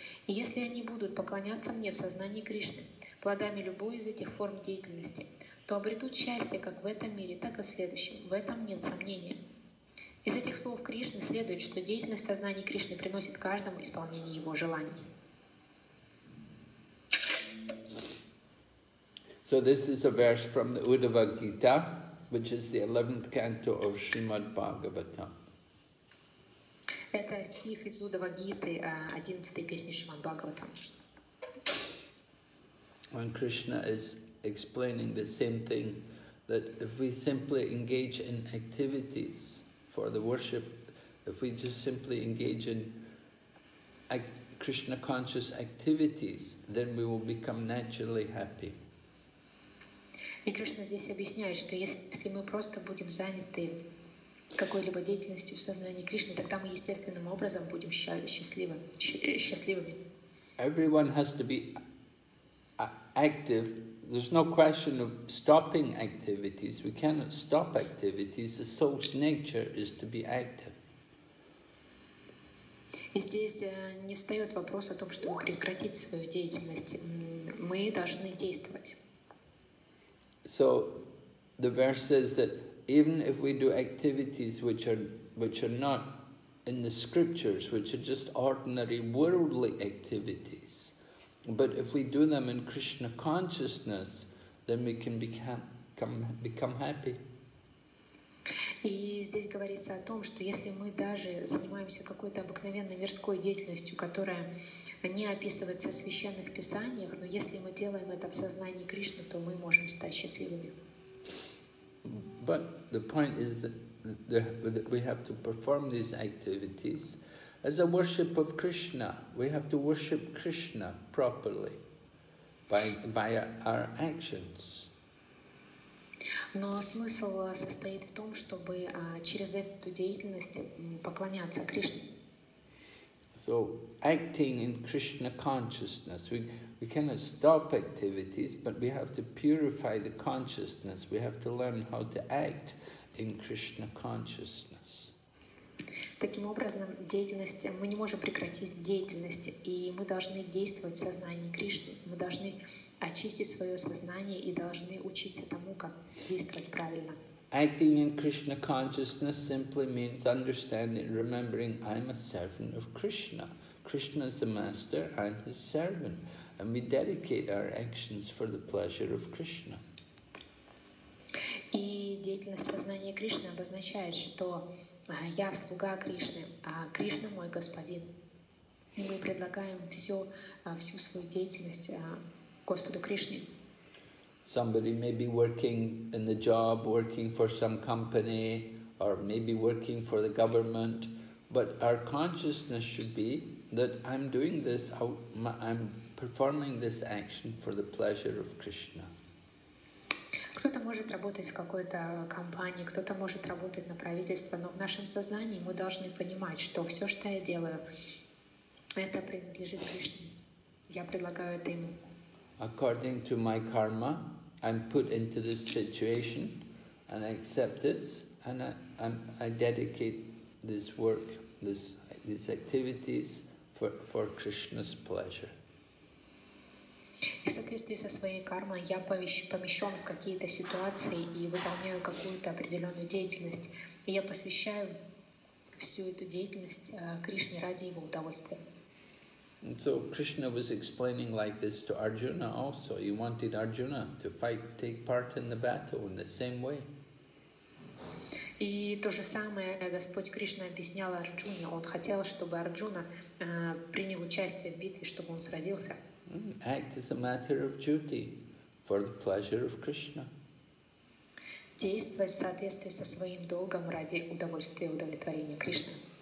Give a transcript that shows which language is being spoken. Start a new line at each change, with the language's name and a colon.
Russian: И если они будут поклоняться мне в сознании Кришны, плодами любой из этих форм деятельности, то обретут счастье как в этом мире, так и в следующем. В этом нет сомнения». Из этих слов Кришны следует, что деятельность сознания Кришны приносит каждому исполнение его желаний.
English: So this is a verse from the Uddhava Gita, which is the 11th canto of Srimad Bhagavatam.
Russian: Это стих из Уддхава Гиты, 11-й песни Шримад Бхагаватам.
English: And Krishna is explaining the same thing, that if we simply engage in activities for the worship, if we just simply engage in Krishna conscious activities, then we will become naturally happy.
Russian: И Кришна здесь объясняет, что если мы просто будем заняты какой-либо деятельностью в сознании Кришны, тогда мы естественным образом будем счастливыми.
English: Everyone has to be active. There's no question of stopping activities. We cannot stop activities. The soul's nature is to be active.
Russian: И здесь не встает вопрос о том, чтобы прекратить свою деятельность. Мы должны действовать.
English: So the verse says that even if we do activities which are not in the scriptures, which are just ordinary worldly activities, But if we do them in Krishna consciousness, then we can become happy.
Russian: И здесь говорится о том, что если мы даже занимаемся какой-то обыкновенной мирской деятельностью, которая не описывается в священных писаниях, но если мы делаем это в сознании Кришны, то мы можем стать счастливыми.
English: But the point is that we have to perform these activities as a worship of Krishna. We have to worship Krishna properly by our actions.
Russian: Но смысл состоит в том, чтобы через эту деятельность поклоняться Кришне.
English: So, acting in Krishna consciousness, we cannot stop activities, but we have to purify the consciousness. We have to learn how to act in Krishna consciousness.
Russian: Таким образом, деятельность, мы не можем прекратить деятельность, и мы должны действовать в сознании Кришны. Мы должны очистить свое сознание и должны учиться тому, как действовать правильно.
English: Acting in Krishna consciousness simply means understanding, remembering I'm a servant of Krishna. Krishna is the master, I'm his servant. And we dedicate our actions for the pleasure of Krishna.
Russian: И деятельность сознания Кришны обозначает, что я слуга Кришны, а Кришна мой господин. И мы предлагаем всю свою деятельность Господу Кришне.
English: Somebody may be working in the job, working for some company, or maybe working for the government, but our consciousness should be that I'm doing this, I'm performing this action for the pleasure of Krishna.
Russian: Кто-то может работать в какой-то компании, кто-то может работать на правительство, но в нашем сознании мы должны понимать, что все, что я делаю, это принадлежит Кришне. Я предлагаю это ему.
English: According to my karma, I'm put into this situation, and I accept this, and I dedicate this work, these activities for Krishna's pleasure.
Russian: И в соответствии со своей кармой я помещен в какие-то ситуации и выполняю какую-то определенную деятельность, и я посвящаю всю эту деятельность Кришне ради его удовольствия.
English: And so Krishna was explaining like this to Arjuna also. He wanted Arjuna to fight, take part in the battle in the same way.
Russian: И то же самое Господь Кришна объяснял Арджуне. Он хотел, чтобы Арджуна принял участие в битве, чтобы он сразился.
English: Act is a matter of duty for the pleasure of Krishna.
Russian: Действовать в соответствии со своим долгом ради удовольствия и удовлетворения Кришны.